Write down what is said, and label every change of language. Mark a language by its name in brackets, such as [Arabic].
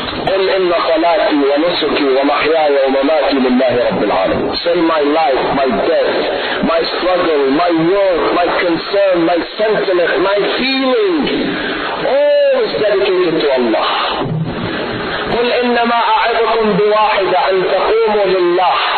[Arabic] قل إن صلاتي ونسكي ومحياي ومماتي لله رب العالمين. [English] Say, my life, my death, my struggle, my work, my concern, my sentiment, my feeling, all is dedicated to Allah. [Arabic] قل إنما أعظكم بواحدة أن تقوموا لله.